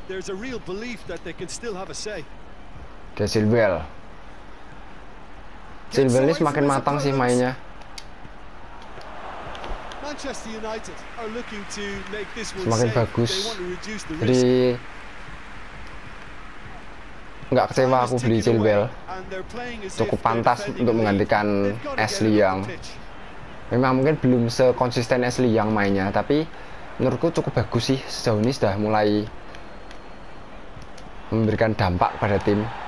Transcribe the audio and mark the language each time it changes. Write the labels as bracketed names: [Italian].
[English] There's a real belief that they can still have a say. Okay, Silvel. [Indonesian] Silvel ini semakin matang sih mainnya. [English] Manchester United are looking to make this one [Indonesian] semakin [English] safe. [Indonesian] Bagus. Jadi nggak kecewa aku beli Chilwell, cukup pantas untuk menggantikan Ashley Young. Memang mungkin belum sekonsisten Ashley Young mainnya, tapi menurutku cukup bagus sih, sejauh ini sudah mulai memberikan dampak pada tim.